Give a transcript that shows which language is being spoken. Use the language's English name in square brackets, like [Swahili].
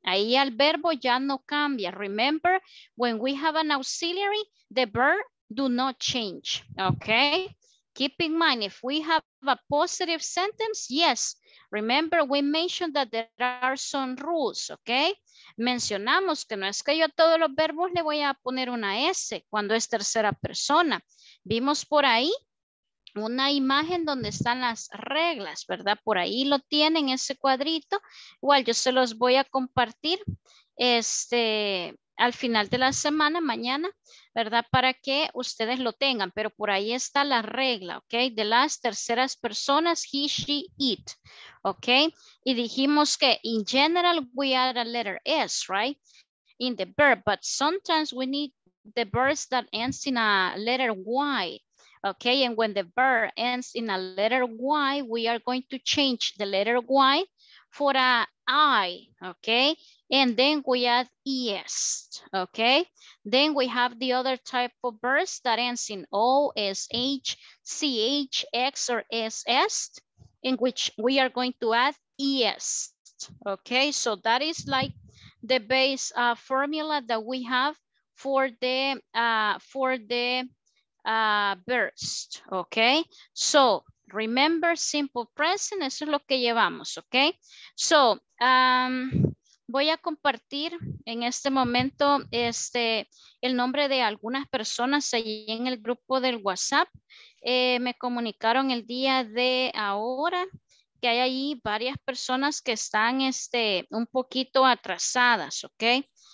[Spanish] Ahí el verbo ya no cambia. [English] Remember, when we have an auxiliary, the verb do not change, okay? Keep in mind, if we have a positive sentence, yes. Remember, we mentioned that there are some rules, okay? [Spanish] Mencionamos que no es que yo a todos los verbos le voy a poner una S cuando es tercera persona. Vimos por ahí una imagen donde están las reglas, ¿verdad? Por ahí lo tienen, ese cuadrito. Igual yo se los voy a compartir al final de la semana, mañana, ¿verdad? Para que ustedes lo tengan. Pero por ahí está la regla, ¿ok? De las terceras personas, he, she, it, ¿ok? Y dijimos que, [English] in general, we add a letter S, right? In the verb, but sometimes we need the verbs that ends in a letter Y. Okay, and when the verb ends in a letter Y, we are going to change the letter Y for a I, okay? And then we add ES, okay? Then we have the other type of verbs that ends in O, S, H, C, H, X, or S, S, in which we are going to add ES, okay? So that is like the base formula that we have for the verbs, okay? So remember simple present, [Spanish] eso es lo que llevamos, [English] okay? [Spanish] So voy a compartir en este momento el nombre de algunas personas ahí en el grupo del WhatsApp. Me comunicaron el día de ahora que hay ahí varias personas que están un poquito atrasadas, okay?